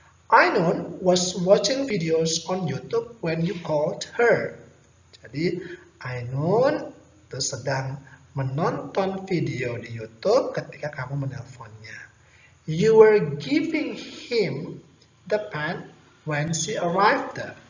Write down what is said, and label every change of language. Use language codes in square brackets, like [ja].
[en] I known was watching videos on YouTube when you called her. [id] Jadi I known itu sedang menonton video di YouTube ketika kamu menelponnya. [en] You were giving him the pen when she arrived there.